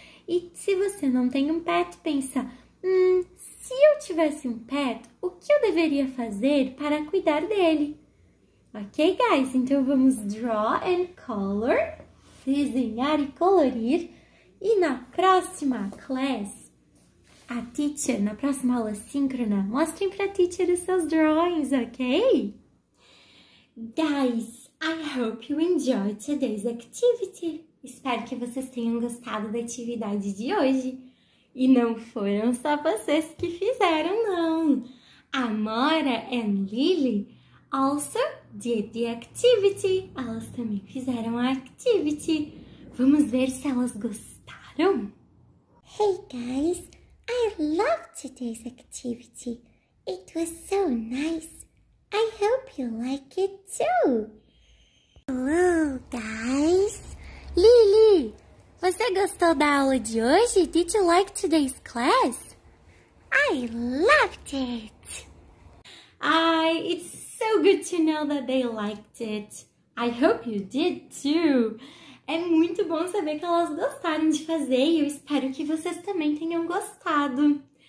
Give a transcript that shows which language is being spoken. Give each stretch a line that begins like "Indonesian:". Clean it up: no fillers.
Portuguese: E se você não tem um pet, pensa, se eu tivesse um pet, o que eu deveria fazer para cuidar dele?
English: Ok, guys?
Portuguese: Então, vamos
English: draw and color,
Portuguese: desenhar e colorir. E na próxima class, a teacher, na próxima aula síncrona, mostrem para a teacher os seus drawings, ok?
English: Guys, I hope you enjoyed today's activity.
Portuguese: Espero que vocês tenham gostado da atividade de hoje. E não foram só vocês que fizeram, não.
English: Amora and Lily also did the activity.
Portuguese: Elas também fizeram a activity. Vamos ver se elas gostaram.
English: Hey, guys. I loved today's activity. It was so nice. I hope you like it, too. Hello, guys. Lily!
Portuguese: Você gostou da aula de hoje?
English: Did you like today's class? I loved it! It's so good to know that they liked it. I hope you did too.
Portuguese: É muito bom saber que elas gostaram de fazer e eu espero que vocês também tenham gostado.